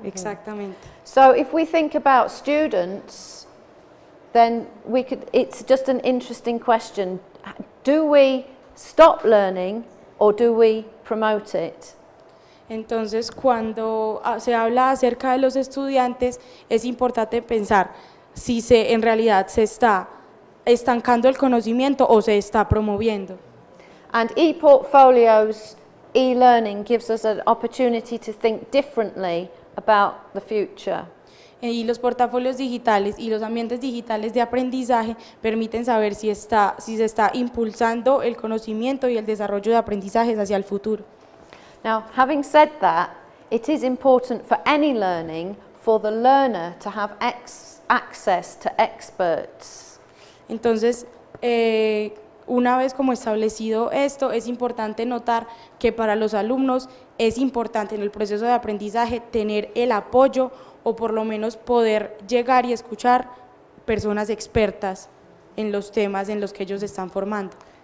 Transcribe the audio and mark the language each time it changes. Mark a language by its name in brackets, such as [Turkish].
[Spanish] Exactamente. [English] So if we think about students, then we could, it's just an interesting question. Do we stop learning or do we promote it? [Spanish] Entonces, cuando se habla acerca de los estudiantes, es importante pensar si se, en realidad se está estancando el conocimiento o se está promoviendo. [English] And e-portfolios, e-learning gives us an opportunity to think differently about the future. [Spanish] Y los portafolios digitales y los ambientes digitales de aprendizaje permiten saber si está, si se está impulsando el conocimiento y el desarrollo de aprendizajes hacia el futuro. [English] Now, having said that, it is important for any learning for the learner to have access to experts. [Spanish] Entonces, una vez como establecido esto, es importante notar que para los alumnos es importante en el proceso de aprendizaje tener el apoyo o por lo menos poder llegar y escuchar personas expertas en los temas en los que ellos están formando.